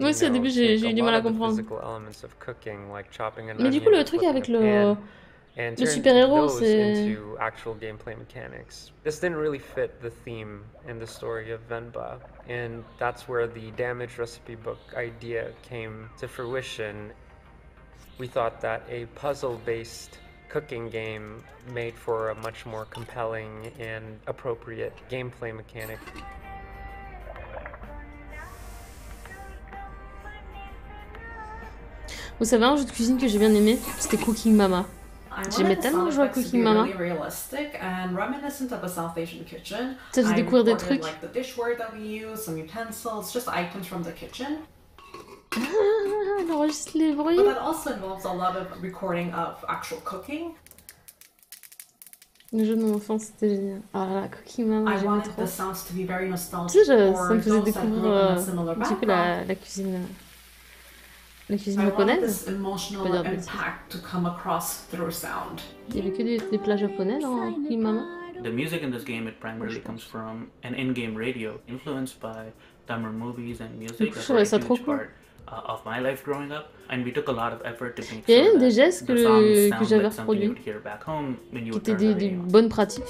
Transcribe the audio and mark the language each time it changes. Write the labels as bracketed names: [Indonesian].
[French] Moi aussi, au début, j'ai eu du mal à comprendre. [English] Physical elements of cooking, like chopping an [French] Mais [English] onion, [French] du coup, le truc avec le super-héros, c'est... [English] Into actual gameplay mechanics. This didn't really fit the theme and the story of Venba. And that's where the damage recipe book idea came to fruition. We thought that a puzzle-based cooking game made for a much more compelling and appropriate gameplay mechanic. [French] Vous savez, un jeu de cuisine que j'ai bien aimé, c'était Cooking Mama. J'aimais tellement jouer à Cooking Mama. Ça faisait découvrir des trucs. Elle enregistre les bruits. [English] But that also involves a lot of recording of actual cooking. [French] Le jeu de mon enfant, c'était génial. Oh là, Cooking Mama, j'aimais trop. [English] The sounds to be very nostalgic. [French] Tu sais, ça me faisait découvrir un petit peu la cuisine. [English] I wanted this emotional impact to come across through sound. The music in this game, it primarily comes from an in-game radio influenced by Tamil movies and music. That's a huge part of my life growing up. And we took a lot of effort to make sure that the songs sound like something you would hear back home when you would turn the radio on.